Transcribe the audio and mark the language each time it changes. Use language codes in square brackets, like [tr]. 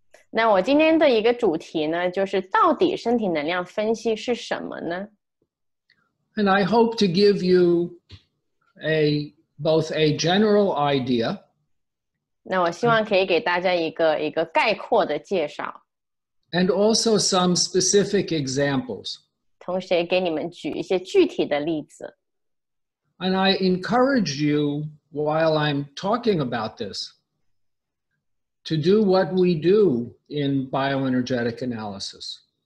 [zh] 那我今天的一个主题呢，就是到底身体能量分析是什么呢？ [en] And I hope to give you both a general idea. [zh] 那我希望可以给大家一个概括的介绍。 [en] And also some specific examples. [zh] 同时也给你们举一些具体的例子。 [en] And I encourage you, while I'm talking about this, to do what we do in bioenergetic analysis.